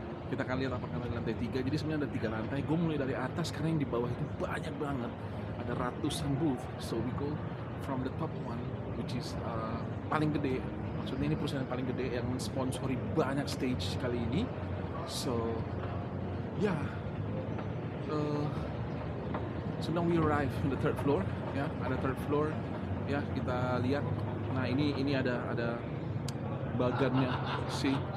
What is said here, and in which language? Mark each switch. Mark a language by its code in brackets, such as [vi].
[id] Kita akan lihat apakah ada lantai 3. Jadi sebenarnya ada 3 lantai. Gue mulai dari atas karena yang di bawah itu banyak banget. Ada ratusan booth. [en] So we go from the top one, which is [id] paling gede. Maksudnya ini perusahaan yang paling gede yang mensponsori banyak stage kali ini. [en] So yeah, so now we arrive in the third floor. [id] Ya, yeah, ada third floor. Ya, yeah, kita lihat. Nah, ini ada bagannya sih.